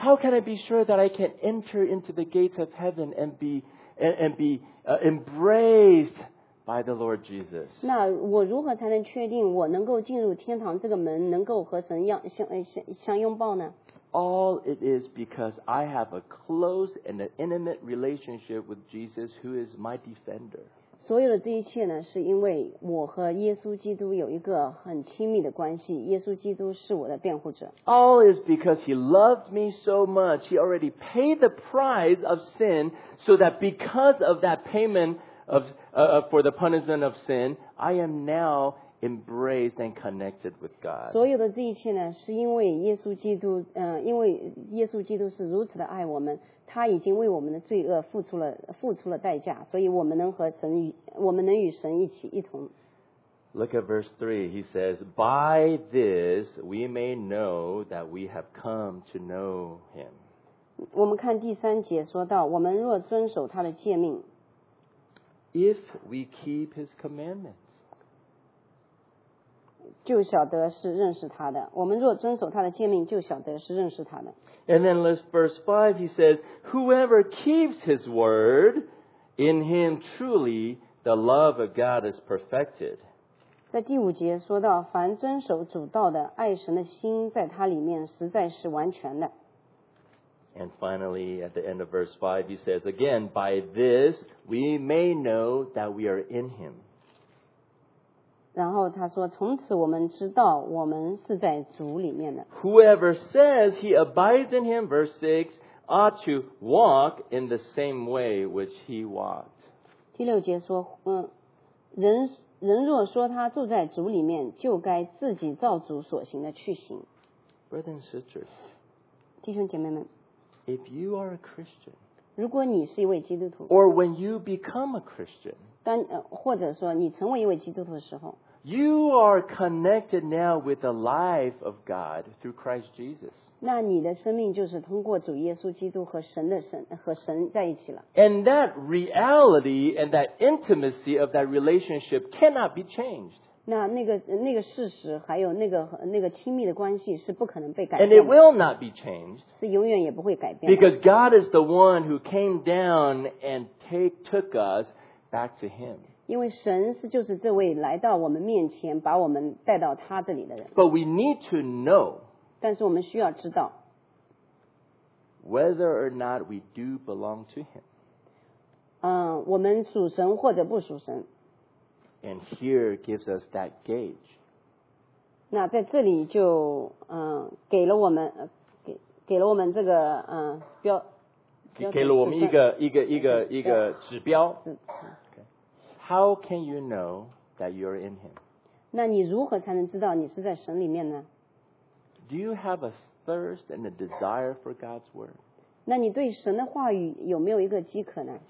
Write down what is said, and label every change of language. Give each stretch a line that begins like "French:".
English: How can I be sure that I can enter into the gates of heaven and be embraced by the Lord Jesus?
Chinese: 那我如何才能确定我能够进入天堂这个门，能够和神相拥抱呢？
English: All it is because I have a close and an intimate relationship with Jesus who is my defender.
Chinese: 所有的这一切呢，是因为我和耶稣基督有一个很亲密的关系。耶稣基督是我的辩护者。
English: All is because he loved me so much. He already paid the price of sin, so that because of that payment for the punishment of sin, I am now embraced and connected with God.
Chinese: 所有的这一切呢，是因为耶稣基督，因为耶稣基督是如此的爱我们。他已经为我们的罪恶付出了代价，所以我们能和神与我们能与神一起一同。
English: Look at verse 3. He says, "By this we may know that we have come to know Him."
Chinese: 我们看第三节说到，我们若遵守他的诫命。
English: If we keep His commandments,
Chinese: 就晓得是认识他的。我们若遵守他的诫命，就晓得是认识他的。
English: And then, verse 5, he says, "Whoever keeps his word, in him truly the love of God is perfected."
Chinese: 在第五节说到，凡遵守主道的，爱神的心在他里面实在是完全的。
English: And finally, at the end of verse 5, he says, "Again, by this we may know that we are in him."
Chinese: 然后他说，从此我们知道我们是在主里面的。
English: Whoever says he abides in him, verse 6, ought to walk in the same way which he walked.
Chinese: 第六节说，人若说他住在主里面，就该自己照主所行的去行。
English: Brothers and sisters,
Chinese: 弟兄姐妹们。
English: If you are a Christian,
Chinese: 如果你是一位基督徒，
English: or when you become a Christian,
Chinese: 或者说你成为一位基督徒的时候，
English: you are connected now with the life of God through Christ Jesus.
Chinese: 那你的生命就是通过主耶稣基督和神的神和神在一起了。
English: And that reality and that intimacy of that relationship cannot be changed.
Chinese: 那个事实还有那个亲密的关系是不可能被改变的。
English: And it will not be changed.
Chinese: 是永远也不会改变的。
English: Because God is the one who came down and took us back to Him.
Chinese: 因为神是就是这位来到我们面前把我们带到他这里的人。
English: But we need to know.
Chinese: 但是我们需要知道。
English: Whether or not we do belong to Him.
Chinese: 我们属神或者不属神。
English: And here gives us that gauge.
Chinese: 那在这里就给了我们给了我们这个标给了我们一个指标。
English: How can you know that you're in Him?
Chinese: 那你如何才能知道你是在神里面呢？
English: Do you have a thirst and a desire for God's word?
Chinese: 那你对神的话语有没有一个饥渴呢？